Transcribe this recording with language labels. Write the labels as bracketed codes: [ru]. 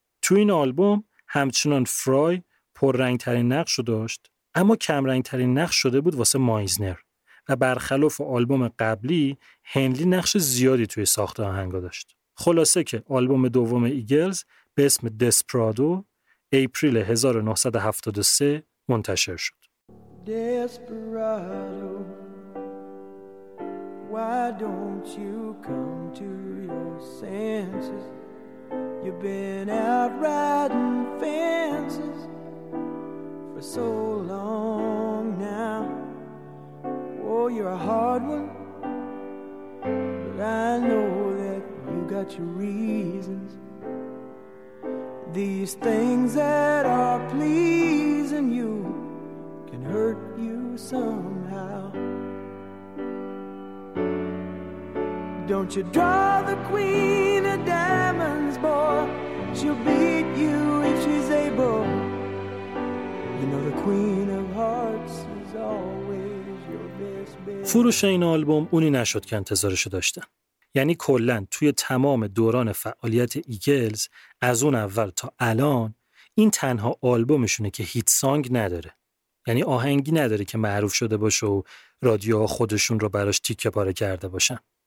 [fa] تو این آلبوم همچنان فرای پررنگ ترین نقش رو داشت، اما کمرنگ ترین نقش شده بود واسه مایزنر و برخلاف آلبوم قبلی هنلی نقش زیادی توی ساخت آهنگا داشت. خلاصه که آلبوم دوم ایگلز به اسم دسپرادو اپریل 1973 منتشر شد. [en] Desperado, why don't you come to your senses? You've been out riding fences for so long now. Oh, you're a hard one, but I know that you got your reasons. These things that are pleasing you can hurt you somehow. Don't you draw the queen of diamonds, boy. She'll beat you if she's able. You know the queen of hearts is always your best bet. [fa] فروش این آلبوم اونی نشد که انتظارشو داشتن. یعنی کلن توی تمام دوران فعالیت ایگلز از اون اول تا الان این تنها آلبومشونه که هیت سانگ نداره. یعنی آهنگی نداره که معروف شده باشه و رادیو خودشون رو براش تیکه پاره کرده باشن.